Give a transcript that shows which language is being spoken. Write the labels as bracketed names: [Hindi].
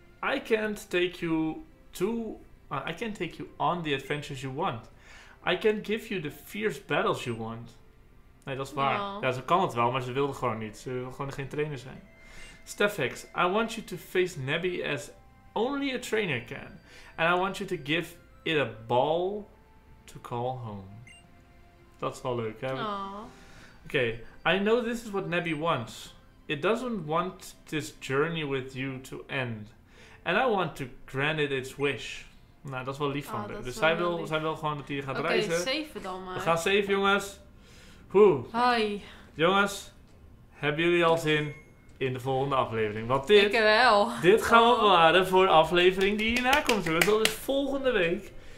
[English] I can't take you on the adventures you want. I can give you the fierce battles you want. [Dutch] Nee, dat is waar. [English] No. [Dutch] Ja, ze kan het wel, maar ze wilde gewoon niet. Ze wil gewoon geen trainer zijn. [English] Steph Hicks, I want you to face Nebby as only a trainer can. And I want you to give it a ball to call home. [Dutch] Dat is wel leuk, hè? Aww. [English] Okay, I know this is what Nebby wants. It doesn't want this journey with you to end. And I want to grant it its wish. [Dutch] Nou, dat is wel lief van haar. Dus zij wil gewoon dat hij gaat reizen. Oké, 7 dan maar. We gaan 7, jongens. Hoe? [English] Hi. [Dutch] Jongens, hebben jullie al zin in de volgende aflevering? Want dit... Ik wel. Dit gaan we bewaren voor de aflevering die hierna komt. Dus dat is volgende week.